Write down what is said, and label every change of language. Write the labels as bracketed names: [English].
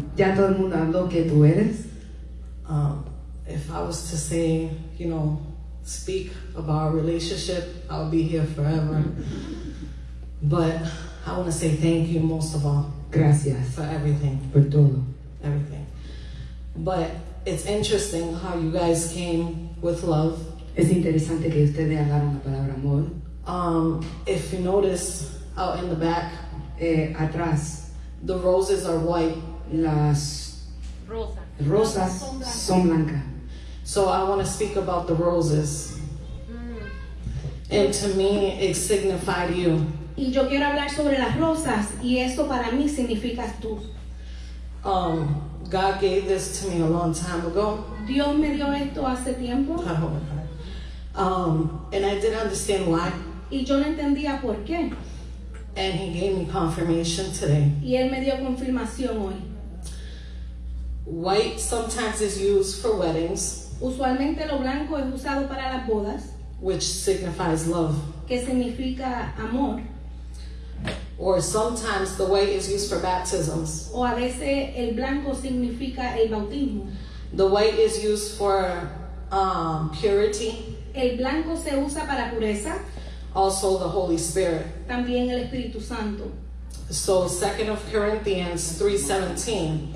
[Spanish] Ya todo el mundo habló que tú eres. [English] If I was to say, you know, speak about our relationship, I'll be here forever. But I want to say thank you most of all. [Spanish] Gracias. [English] For everything. [Spanish] Por todo. [English] Everything. But it's interesting how you guys came with love. [Spanish] Es interesante que ustedes hablaron la palabra amor. [English] If you notice, out in the back, [Spanish] atrás, [English] the roses are white. [Spanish] Las rosas son blancas. [English] So I want to speak about the roses. And to me, it signified you. [Spanish] Y yo quiero hablar sobre las rosas, y esto para mí significa tú. [English] God gave this to me a long time ago. [Spanish] Dios me dio esto hace tiempo. [English] And I didn't understand why. [Spanish] Y yo no entendía por qué. [English] And he gave me confirmation today. [Spanish] Y él me dio confirmación hoy. [English] White sometimes is used for weddings. [Spanish] Usualmente lo blanco es usado para las bodas. [English] Which signifies love. [Spanish] Que significa amor. [English] Or sometimes the white is used for baptisms. [Spanish] O a veces el blanco significa el bautismo. [English] The white is used for purity. [Spanish] El blanco se usa para pureza. [English] Also the Holy Spirit. [Spanish] También el Espíritu Santo. [English] So 2 Corinthians 3:17.